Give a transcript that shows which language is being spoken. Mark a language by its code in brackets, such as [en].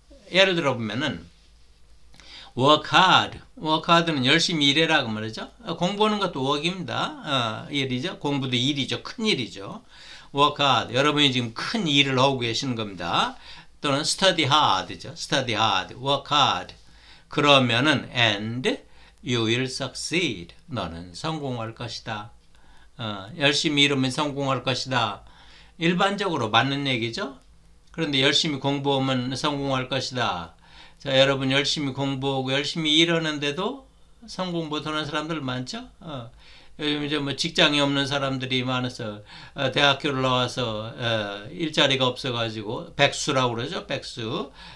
[ko] 예를 들어 보면은 [en] work hard. [ko] work hard는 열심히 일해라고 말이죠. 공부하는 것도 work입니다. 일이죠. 공부도 일이죠. 큰 일이죠. [en] work hard. [ko] 여러분이 지금 큰 일을 하고 계시는 겁니다. 또는 [en] study hard [ko] 죠. [en] study hard. work hard. [ko] 그러면은 [en] and you will succeed. [ko] 너는 성공할 것이다. 열심히 일하면 성공할 것이다. 일반적으로 맞는 얘기죠. 그런데 열심히 공부하면 성공할 것이다. 자, 여러분 열심히 공부하고 열심히 일하는데도 성공 못하는 사람들 많죠? 요즘 이제 뭐 직장이 없는 사람들이 많아서 대학교를 나와서 일자리가 없어가지고 백수라고 그러죠? 백수.